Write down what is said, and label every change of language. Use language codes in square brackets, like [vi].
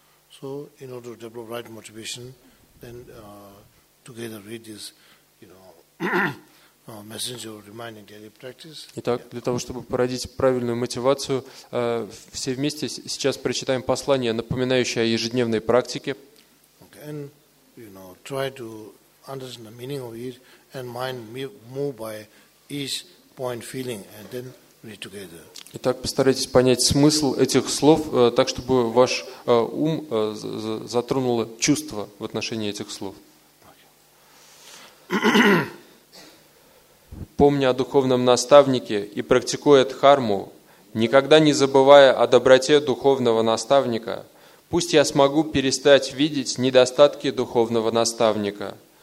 [en] So in order to develop right motivation, then together read this, you know, messenger reminding daily practice. [ru] Итак, для того, чтобы породить правильную мотивацию, все вместе сейчас прочитаем послание, напоминающее о ежедневной практике. [en] Okay, and, you know, try to understand the meaning of it and mind move by each point feeling and then read together. [ru] Итак, постарайтесь понять смысл этих слов так, чтобы ваш ум затронуло чувство в отношении этих слов. Помня о духовном наставнике и практикуя дхарму, никогда не забывая о доброте духовного наставника, пусть я смогу перестать видеть недостатки духовного наставника.